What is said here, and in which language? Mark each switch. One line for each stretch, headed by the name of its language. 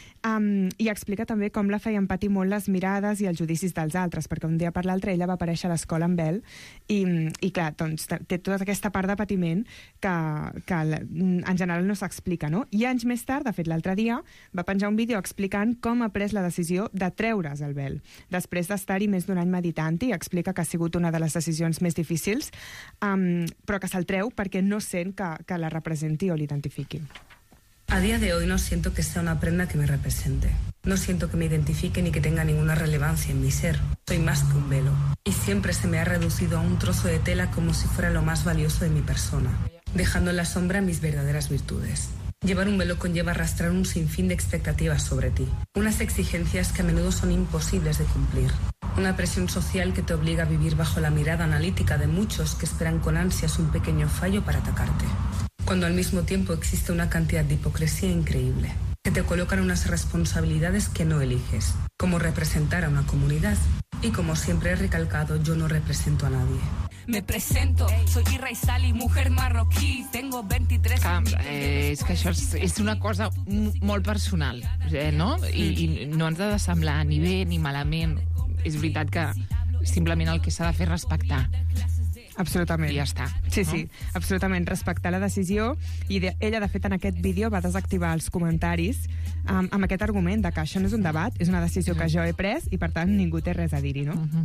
Catalan: I explica també com la feien patir molt les mirades i els judicis dels altres, perquè un dia per l'altre ella va aparèixer a l'escola amb vel i clar, doncs, té tota aquesta part de patiment que en general no s'explica, no? I anys més tard, de fet l'altre dia, va penjar un vídeo explicant com ha pres la decisió de treure's el vel, després d'estar-hi més d'un any meditant, i explica que ha sigut una de les decisions més difícils, però que se'l treu perquè no sent que la representi o l'identifiqui.
Spanish: A día de hoy no siento que sea una prenda que me represente. No siento que me identifique ni que tenga ninguna relevancia en mi ser. Soy más que un velo. Y siempre se me ha reducido a un trozo de tela como si fuera lo más valioso de mi persona, dejando en la sombra mis verdaderas virtudes. Llevar un velo conlleva arrastrar un sinfín de expectativas sobre ti. Unas exigencias que a menudo son imposibles de cumplir. Una presión social que te obliga a vivir bajo la mirada analítica de muchos que esperan con ansias un pequeño fallo para atacarte. Cuando al mismo tiempo existe una cantidad de hipocresía increíble. Se te colocan unas responsabilidades que no eliges, como representar a una comunidad. Y como siempre he recalcado, yo no represento a nadie. Me presento, soy Ira y Sally, mujer marroquí, tengo 23...
Catalan: És que això és una cosa molt personal, no? I no ens ha de semblar ni bé ni malament. És veritat que simplement el que s'ha de fer és respectar. Absolutament. I ja està. Sí, no? Sí, absolutament. Respectar la decisió. I ella, de fet, en aquest vídeo va desactivar els comentaris amb aquest argument de que això no és un debat, és una decisió que jo he pres i, per tant, ningú té res a dir-hi, no?